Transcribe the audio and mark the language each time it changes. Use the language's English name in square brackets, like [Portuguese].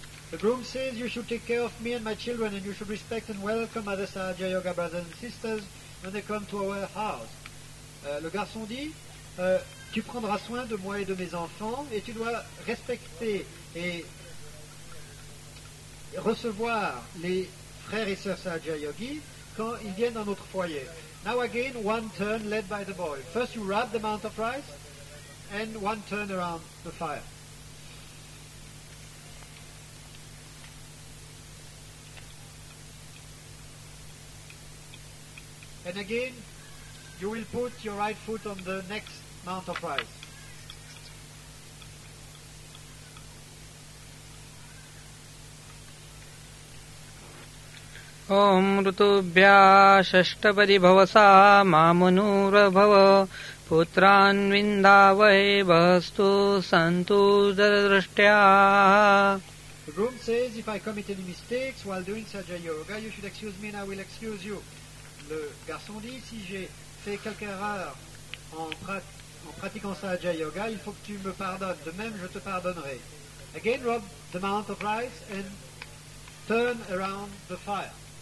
[English] The groom says, you should take care of me and my children, and you should respect and welcome other Sahaja Yoga brothers and sisters when they come to our house. [French] Le garçon dit, tu prendras soin de moi et de mes enfants, et tu dois respecter et recevoir les frères et sœurs Sahaja Yogi quand ils viennent dans notre foyer. [English] Now again, one turn led by the boy. First you rub the mount of rice, and one turn around the fire. And again, you will put your right foot on the next mount of rice. [Sanskrit] Om Rutubhya Shashtapadi Bhavasa Mamunura Bhava Putran Vindavahe Bhastu Santu Dharadrashtya. [English] The groom says, if I commit any mistakes while doing Sahaja Yoga, you should excuse me and I will excuse you. [French] Le garçon dit, si j'ai fait quelque erreur en pratiquant Sahaja Yoga, il faut que tu me pardonnes. De même, je te pardonnerai. [English] Again, rub the mount of rice and turn around the fire.